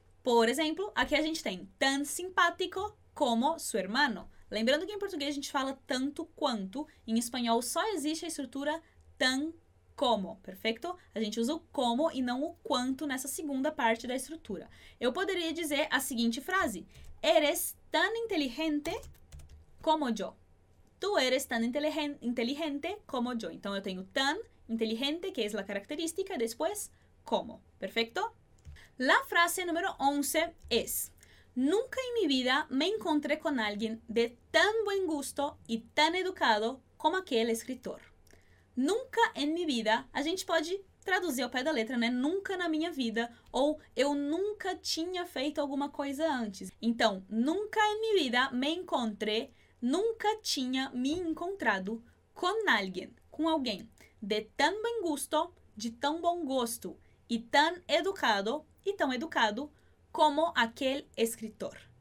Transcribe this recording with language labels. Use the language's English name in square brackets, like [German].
[Portuguese] Por exemplo, aqui a gente tem [Spanish] tan simpático como su hermano. [Portuguese] Lembrando que em português a gente fala tanto quanto, em espanhol só existe a estrutura tan como, perfeito? A gente usa o como e não o quanto nessa segunda parte da estrutura. Eu poderia dizer a seguinte frase. [Spanish] Eres tan inteligente como yo. Tu eres tan inteligente como yo. [Portuguese] Então eu tenho tan inteligente, que é a característica, e depois como, perfeito? [Spanish] La frase número 11 es, nunca en mi vida me encontré con alguien de tan buen gusto y tan educado como aquel escritor. Nunca en mi vida, [Portuguese] a gente pode traduzir ao pé da letra, né? Nunca na minha vida, ou eu nunca tinha feito alguma coisa antes. Então, [Spanish] nunca en mi vida me encontré, [Portuguese] nunca tinha me encontrado com alguém de [Spanish] tan buen gusto, [Portuguese] de tão bom gosto, e [Spanish] tan educado, [Portuguese] e tão educado como aquele escritor.